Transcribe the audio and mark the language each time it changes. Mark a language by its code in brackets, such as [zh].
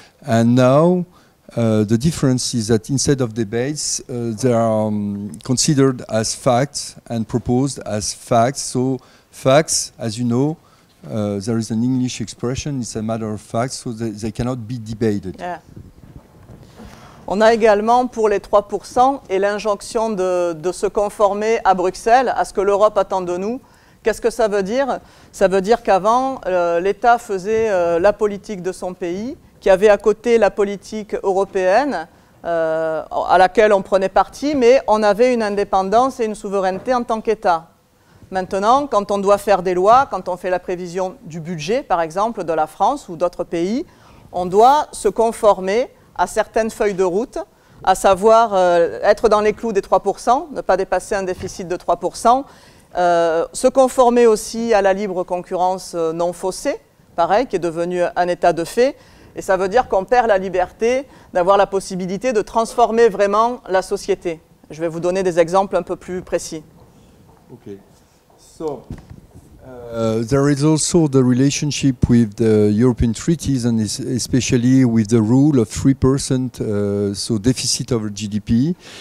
[en] And now the difference is that instead of debates, they are considered as facts and proposed as facts. So facts, as you know, there is an English expression, it's a matter of fact, so they cannot be debated. Yeah. [fr] On a également pour les 3% et l'injonction de se conformer à Bruxelles, à ce que l'Europe attend de nous. Qu'est-ce que ça veut dire ? Ça veut dire qu'avant, l'État faisait la politique de son pays, qui avait à côté la politique européenne, à laquelle on prenait parti, mais on avait une indépendance et une souveraineté en tant qu'État. Maintenant, quand on doit faire des lois, quand on fait la prévision du budget, par exemple, de la France ou d'autres pays, on doit se conformer à certaines feuilles de route, à savoir être dans les clous des 3%, ne pas dépasser un déficit de 3%, se conformer aussi à la libre concurrence non faussée, pareil, qui est devenue un état de fait, et ça veut dire qu'on perd la liberté d'avoir la possibilité de transformer vraiment la société. Je vais vous donner des exemples un peu plus précis. Ok. [en] So, there is also the relationship with the European treaties and especially with the rule of 3%, so deficit over GDP.